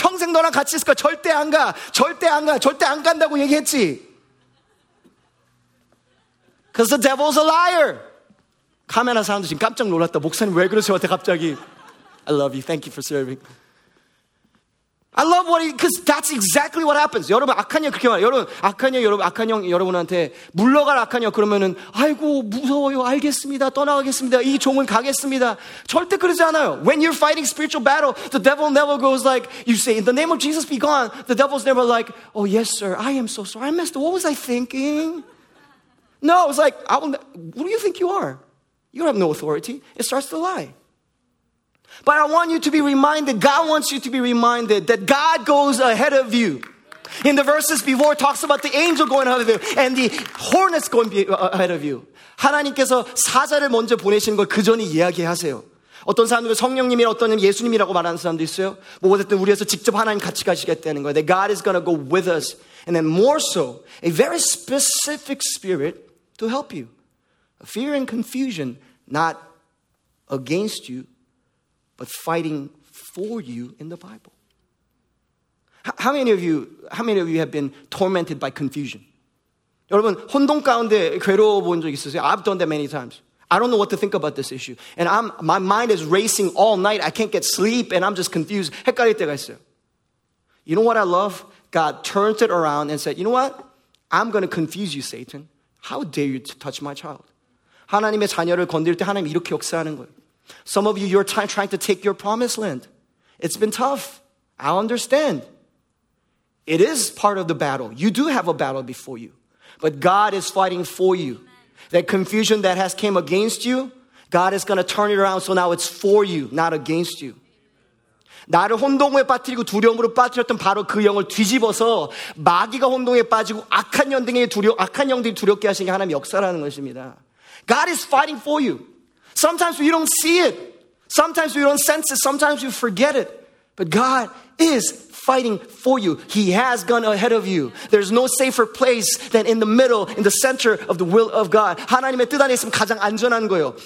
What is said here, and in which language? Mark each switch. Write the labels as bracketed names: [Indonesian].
[Korean] 평생 너랑 같이 있을 거야. 절대 안 가. 절대 안 가. 절대 안 간다고 얘기했지. [English] Because the devil's a liar. [Korean] 카메라 사람들 지금 깜짝 놀랐다. 목사님 왜 그러세요? 갑자기. [English] I love you. Thank you for serving. I love what he, because that's exactly what happens. [Korean] 여러분, 악한 형 그렇게 말해요. 여러분, 악한 형 여러분한테 물러갈 악한 형 그러면은 아이고, 무서워요. 알겠습니다. 떠나가겠습니다. 이 종은 가겠습니다. 절대 그러지 않아요. [English] When you're fighting spiritual battle, the devil never goes like, you say, in the name of Jesus be gone. The devil's never like, oh yes sir, I am so sorry. I messed up. What was I thinking? No, it's like, I will, who do you think you are? You have no authority. It starts to lie. But I want you to be reminded, God wants you to be reminded that God goes ahead of you. In the verses before, it talks about the angel going ahead of you and the hornets going ahead of you. [Korean] 하나님께서 사자를 먼저 보내시는 걸 그 전에 이야기하세요. 어떤 사람들은 성령님이나 어떤 사람 예수님이라고 말하는 사람도 있어요. 뭐 어쨌든 우리에서 직접 하나님 같이 가시겠다는 거예요. [English] That God is going to go with us. And then more so, a very specific spirit to help you. Fear and confusion, not against you, but fighting for you in the Bible. How many of you have been tormented by confusion? [Korean] 여러분, 혼동 가운데 괴로워 본 적 있으세요? [English] I've done that many times. I don't know what to think about this issue. And my mind is racing all night. I can't get sleep and I'm just confused. [Korean] 헷갈릴 때가 있어요. [English] You know what I love? God turns it around and said, you know what? I'm going to confuse you, Satan. How dare you touch my child? [Korean] 하나님의 자녀를 건드릴 때 하나님 이렇게 역사하는 거예요. [English] Some of you, you're trying to take your promised land. It's been tough. I understand. It is part of the battle. You do have a battle before you. But God is fighting for you. Amen. That confusion that has came against you, God is going to turn it around so now it's for you, not against you. [Korean] 나를 혼동에 빠뜨리고 두려움으로 빠뜨렸던 바로 그 영을 뒤집어서 마귀가 혼동에 빠지고 악한 영들이 두렵게 하신 게 하나님의 역사라는 것입니다. [English] God is fighting for you. Sometimes we don't see it. Sometimes we don't sense it. Sometimes we forget it. But God is fighting for you. He has gone ahead of you. There's no safer place than in the middle, in the center of the will of God. [Korean] 하나님의 뜻 안에 있으면 가장 안전한 거예요.